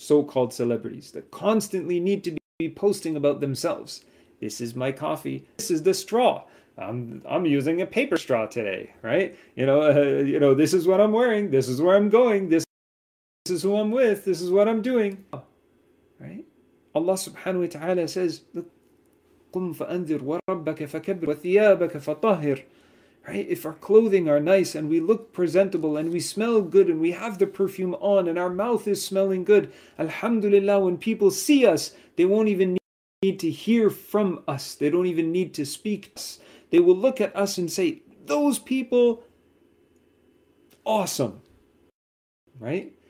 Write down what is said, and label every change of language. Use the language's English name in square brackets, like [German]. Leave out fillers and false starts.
[English] So-called celebrities that constantly need to be posting about themselves. This is my coffee. This is the straw. I'm using a paper straw today, right? You know, this is what I'm wearing. This is where I'm going. This is who I'm with. This is what I'm doing, right? Allah subhanahu wa ta'ala says, [Arabic] قُمْ فَأَنذِرْ وَرَبَّكَ فَكَبِّرْ وَثِيَابَكَ فَطَهِرْ. [English] Right? If our clothing are nice and we look presentable and we smell good and we have the perfume on and our mouth is smelling good, alhamdulillah, when people see us, they won't even need to hear from us. They don't even need to speak to us. They will look at us and say, those people, awesome. Right?